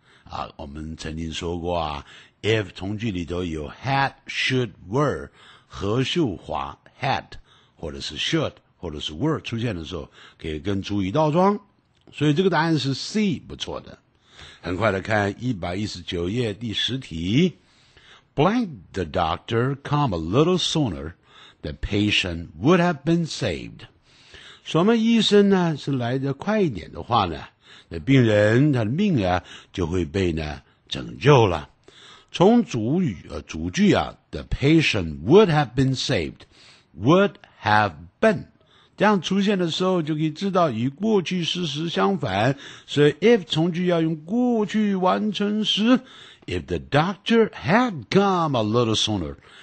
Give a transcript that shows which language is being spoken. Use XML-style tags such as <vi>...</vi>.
<zh>啊，我们曾经说过啊，if 从句里头有 had, should, were, 何秀华 had, 或者是 should, 或者是 were 出现的时候，可以跟主语倒装。所以这个答案是 C, 不错的。很快的看119页第十题。</zh> <en>Blank the doctor come a little sooner, the patient would have been saved.</en> <zh>什么医生呢是来得快一点的话呢，那病人他的命啊就会被呢拯救了。从主语主句啊 ,</zh> <en>the patient would have been saved,</en> <zh>would have been, 这样出现的时候就可以知道与过去事实相反，所以 if 从句要用过去完成时，</zh> <en>if the doctor had come a little sooner,</en>